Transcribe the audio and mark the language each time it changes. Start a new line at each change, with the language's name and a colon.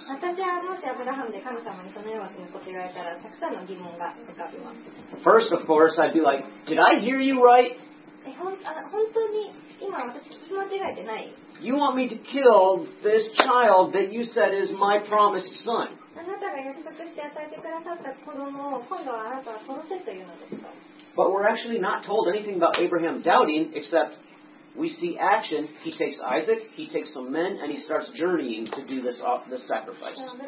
Japanese: 私はもしアブラハムで神様にそのようなことを言われたらたくさんの疑問が浮かびます。
English: First, of course, I'd be like, did I hear you right?
Japanese: 本当に今私聞き間違えてない?
English: You want me to kill this child that you said is my promised son.
Japanese: あなたが約束して与えてくださった子供を今度はあなたは殺せというのですか?
English: But we're actually not told anything about Abraham doubting except... We see action. He takes Isaac, he takes some men, and he starts journeying to do this sacrifice.